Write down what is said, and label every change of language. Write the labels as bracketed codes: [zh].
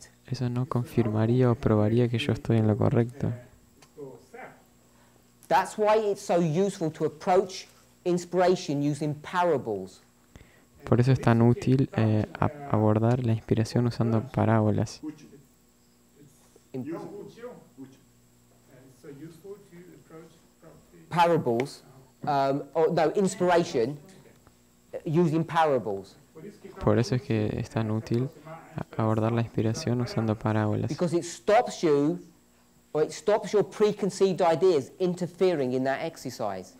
[es] Eso no confirmaría o probaría que yo estoy en lo correcto. [en] That's why it's so useful to approach inspiration using parables. [es] Por eso es tan útil abordar la inspiración usando parábolas. [en] Parables, inspiration using parables. [es] Por eso es que es tan útil abordar la inspiración usando parábolas. [en] Because it stops you. Or it stops your preconceived ideas interfering in that exercise.